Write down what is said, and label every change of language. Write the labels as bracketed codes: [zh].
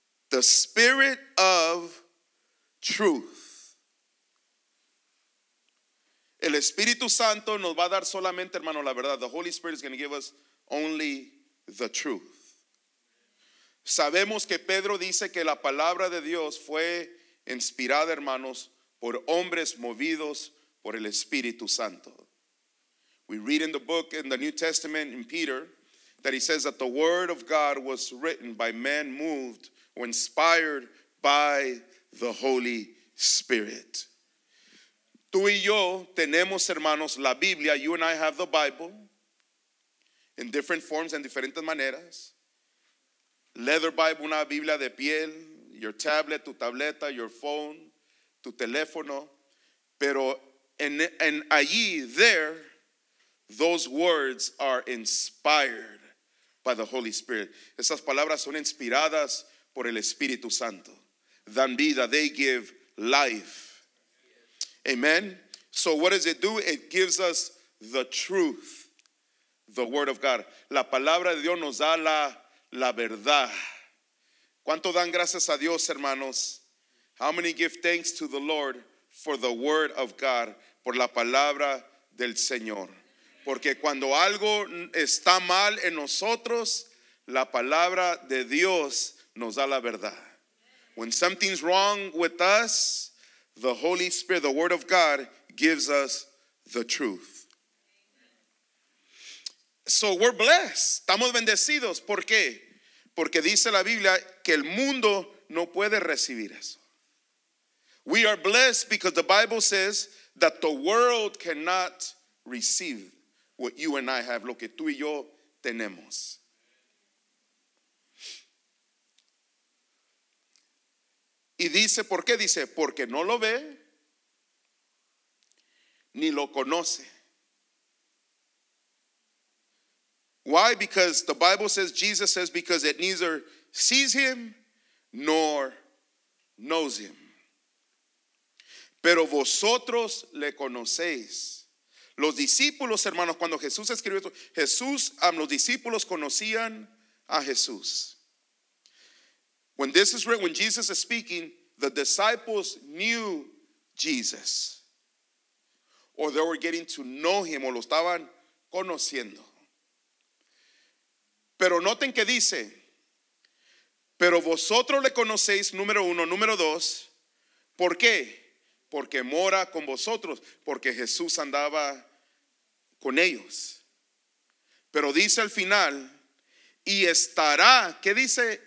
[en] The spirit of truth. [es] El Espíritu Santo nos va a dar solamente, hermano, la verdad. [en] The Holy Spirit is going to give us only the truth. [es] Sabemos que Pedro dice que la palabra de Dios fue inspirada, hermanos, por hombres movidos por el Espíritu Santo. [en] We read in the book, in the New Testament, in Peter, that he says that the word of God was written by men moved or inspired by the Holy Spirit. [es] Tú y yo tenemos, hermanos, la Biblia. [en] You and I have the Bible. in different forms, [es] en diferentes maneras. [en] Leather Bible, [es] una Biblia de piel, [en] your tablet, [es] tu tableta, [en] your phone, [es] tu teléfono. Pero en allí, [en] there, those words are inspired by the Holy Spirit. [es] Esas palabras son inspiradas por el Espíritu Santo. Dan vida, [en] they give life. Amen. So what does it do? It gives us the truth, the word of God. [es] La palabra de Dios nos da la verdad. ¿Cuánto dan gracias a Dios, hermanos? [en] How many give thanks to the Lord for the word of God, [es] por la palabra del Señor? Porque cuando algo está mal en nosotros, la palabra de Dios nos da la verdad. [en] When something's wrong with us, the Holy Spirit, the word of God, gives us the truth. So we're blessed. [es] Estamos bendecidos. ¿Por qué? Porque dice la Biblia que el mundo no puede recibir eso. [en] We are blessed because the Bible says that the world cannot receive what you and I have, [es] lo que tú y yo tenemos. Y dice, ¿por qué? Dice, porque no lo ve ni lo conoce. [en] Why? Because the Bible says, Jesus says, because it neither sees him nor knows him. [es] Pero vosotros le conocéis. Los discípulos, hermanos, cuando Jesús escribió esto, Jesús, los discípulos conocían a Jesús. [en] When this is written, when Jesus is speaking, the disciples knew Jesus. Or they were getting to know him, [es] o lo estaban conociendo. Pero noten que dice, pero vosotros le conocéis, número uno, número dos, ¿por qué? Porque mora con vosotros, porque Jesús andaba con ellos. Pero dice al final, y estará, ¿qué dice?